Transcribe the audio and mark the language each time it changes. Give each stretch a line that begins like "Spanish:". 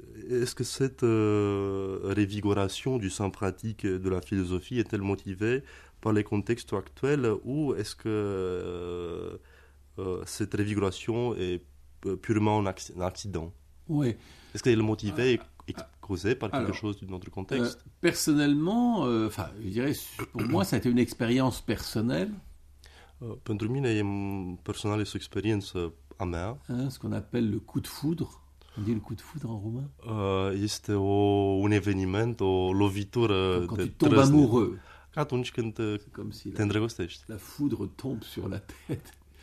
French: Est-ce que cette révigoration du sens pratique de la philosophie est-elle motivée par les contextes actuels ou est-ce que cette révigoration est purement un accident? Oui. Est-ce qu'elle est motivée et causée par quelque chose d'un autre contexte? Personnellement, je dirais, pour moi, ça a été une expérience personnelle.
Romanian: Pentru mine, personal, este o experiență a mea.
French: Ce qu'on appelle le coup de foudre. On dit le coup de foudre en roumain.
Romanian: Este un eveniment, o lovitură.
French: Quand tu tombes amoureux.
Romanian: Atunci când te îndrăgostești.
French: La foudre tombe sur la tête.